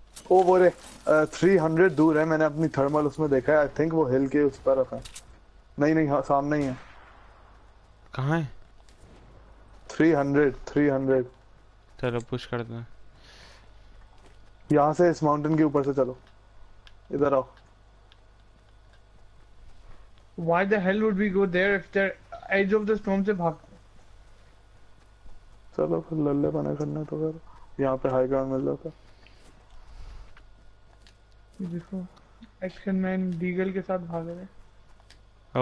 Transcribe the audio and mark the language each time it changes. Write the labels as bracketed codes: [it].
[hi] Oh, bore. 300 door hai. Maine apni thermal usme dekha hai. I think wo hill ke us taraf hai. Nahi nahi, samne hi hai. Kahan hai? 300 चलो push करते हैं यहाँ से इस mountain के ऊपर से चलो इधर आओ [en] Why the hell would we go there if they're edge of the storm से भाग [hi] चलो फिर लल्ले बना करना तो फिर यहाँ पे हाई ग्राउंड मिल जाता देखो एक्शन मैन डीगल के साथ भाग रहे